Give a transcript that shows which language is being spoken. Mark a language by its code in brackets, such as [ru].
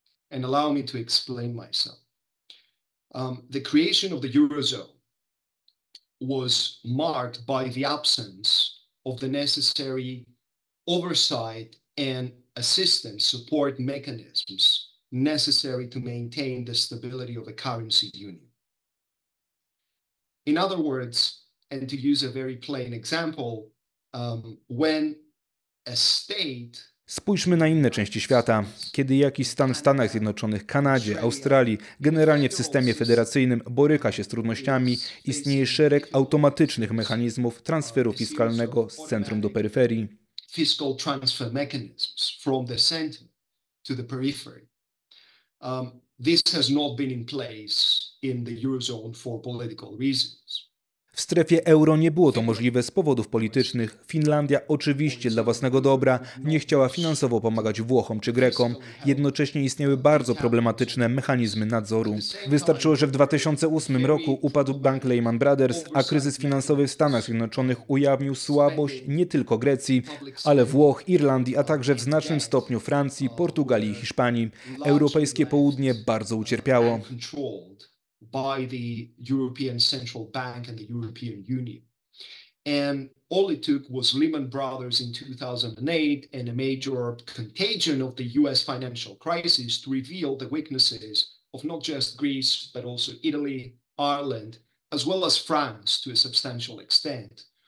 [en] And allow me to explain myself. The creation of the Eurozone was marked by the absence of the necessary oversight and assistance support mechanisms necessary to maintain the stability of a currency union. In other words, and to use a very plain example, when a state... [pl] Spójrzmy na inne części świata. Kiedy jakiś stan w Stanach Zjednoczonych, Kanadzie, Australii, generalnie w systemie federacyjnym boryka się z trudnościami, istnieje szereg automatycznych mechanizmów transferu fiskalnego z centrum do peryferii. [en] Fiscal transfer mechanisms from the center to the periphery. This has not been in place in the Eurozone for political reasons. [pl] W strefie euro nie było to możliwe z powodów politycznych. Finlandia oczywiście dla własnego dobra nie chciała finansowo pomagać Włochom czy Grekom. Jednocześnie istniały bardzo problematyczne mechanizmy nadzoru. Wystarczyło, że w 2008 roku upadł bank Lehman Brothers, a kryzys finansowy w Stanach Zjednoczonych ujawnił słabość nie tylko Grecji, ale Włoch, Irlandii, a także w znacznym stopniu Francji, Portugalii i Hiszpanii. Europejskie południe bardzo ucierpiało. [en] By the European Central Bank and the European Union. And all it took was Lehman Brothers in 2008 and a major contagion of the US financial crisis to reveal the weaknesses of not just Greece, but also Italy, Ireland, as well as France to a substantial extent.